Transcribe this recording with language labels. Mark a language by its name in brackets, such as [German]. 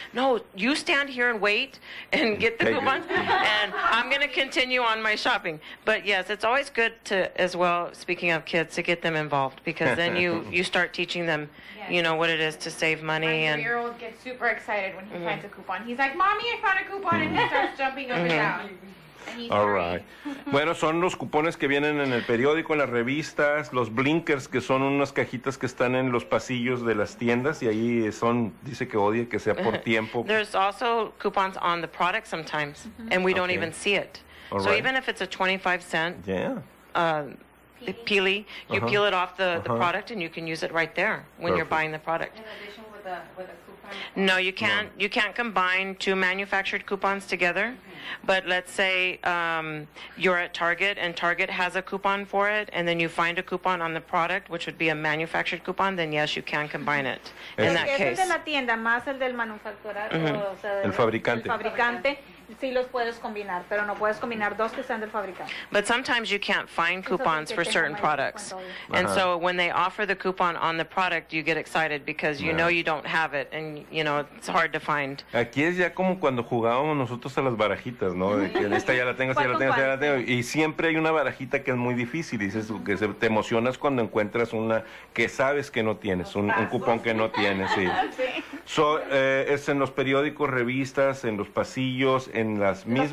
[English] No, you stand here and wait and get the coupon. And I'm going to continue on my shopping. But yes, it's always good to, as well, speaking of kids, to get them involved, because then you start teaching them, you know, what it is to save money. My 3-year-old gets super excited when he finds a coupon. He's like, Mommy, I found a coupon, and he starts jumping up and down. All right. [Spanish] Bueno, son los cupones que vienen en el periódico, en las revistas, los blinkers, que son unas cajitas que están en los pasillos de las tiendas, y ahí son, dice que odia que sea por tiempo. [English] There's also coupons on the product sometimes, and we don't even see it. All so right. Even if it's a 25 cent peely, you peel it off the product, and you can use it right there when you're buying the product. In addition with a coupon? No, you can't. No. You can't combine two manufactured coupons together. Mm-hmm. But let's say you're at Target, and Target has a coupon for it, and then you find a coupon on the product, which would be a manufactured coupon, then yes, you can combine it in that case. [Spanish] Es de la tienda, más el del manufacturado. Mm-hmm. El fabricante. Sí los puedes combinar, pero no puedes combinar dos que sean del fabricante. [English] But sometimes you can't find coupons for certain products. And so when they offer the coupon on the product, you get excited because you know you don't have it and, you know, it's hard to find. [Spanish] Aquí es ya como cuando jugábamos nosotros a las barajitas, ¿no? De que esta ya la tengo, esta ya la tengo, esta ya la tengo. Y siempre hay una barajita que es muy difícil. Dices que te emocionas cuando encuentras una que sabes que no tienes, un cupón que no tienes. Sí. So, es en los periódicos, revistas, en los pasillos, en las mismas.